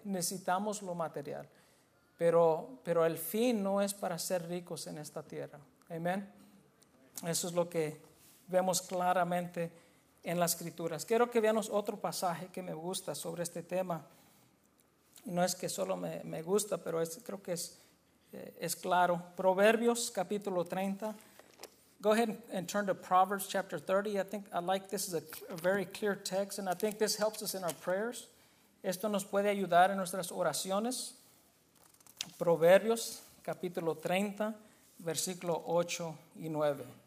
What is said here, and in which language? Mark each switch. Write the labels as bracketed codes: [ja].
[es] Necesitamos lo material. Pero el fin no es para ser ricos en esta tierra. Amén. Eso es lo que vemos claramente en las Escrituras. Quiero que veamos otro pasaje que me gusta sobre este tema. No es que solo me gusta, pero creo que es claro. Proverbios capítulo 30, [en] Go ahead and turn to Proverbs chapter 30. I think this is a very clear text, and I think this helps us in our prayers. [es] Esto nos puede ayudar en nuestras oraciones. Proverbios capítulo 30, versículo 8 y 9.